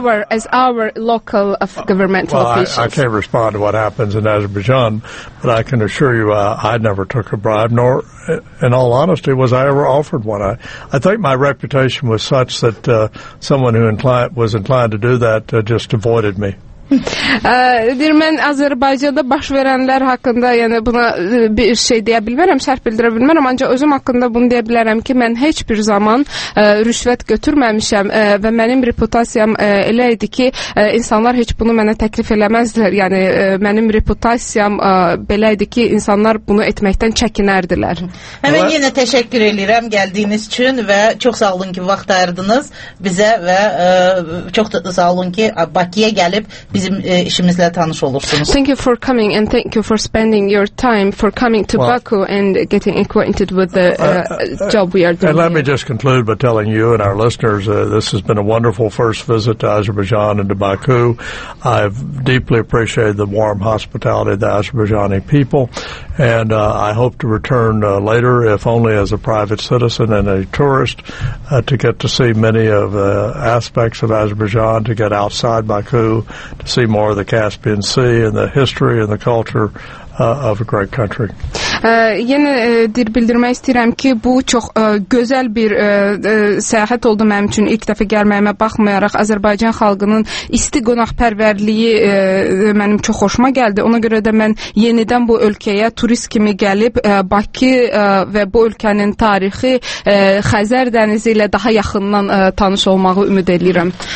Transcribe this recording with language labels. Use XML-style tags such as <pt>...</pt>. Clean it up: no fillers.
<en>As our local governmental officials. I can't respond to what happens in Azerbaijan, but I can assure you I never took a bribe, nor, in all honesty, was I ever offered one. I think my reputation was such that someone who was inclined to do that just avoided me.</en> <az>Mən Azərbaycanda baş verənlər haqqında, yəni buna bir şey deyə bilmərəm, şərh bildirə bilmərəm, ancaq özüm haqqında bunu deyə bilərəm ki, mən heç bir zaman rüşvət götürməmişəm və mənim reputasiyam elə idi ki, insanlar heç bunu mənə təklif eləməzdilər. Yəni mənim reputasiyam belə idi ki, insanlar bunu etməkdən çəkinərdilər. Mən yenə təşəkkür edirəm gəldiyiniz üçün və çox sağ olun ki, vaxt ayırdınız bizə və çox sağ olun ki, Bakıya gəlib bizim işimizlə tanış olursunuz.</az> <en>Thank you for coming and thank you for spending your time for coming to Baku and getting acquainted with the job we are doing. And let me just conclude by telling you and our listeners, this has been a wonderful first visit to Azerbaijan and to Baku. I've deeply appreciated the warm hospitality of the Azerbaijani people, and I hope to return later, if only as a private citizen and a tourist, to get to see many of the aspects of Azerbaijan, to get outside Baku, to see more of the Caspian Sea and the history and the culture of a great country.</en> <az>Yenə bildirmək istəyirəm ki, bu çox gözəl bir səyahət oldu mənim üçün. İlk dəfə gəlməyimə baxmayaraq, Azərbaycan xalqının isti qonaqpərvərliyi mənim çox xoşuma gəldi. Ona görə də mən yenidən bu ölkəyə turist kimi gəlib, Bakı və bu ölkənin tarixi Xəzər dənizi ilə daha yaxından tanış olmağı ümid edirəm.</az>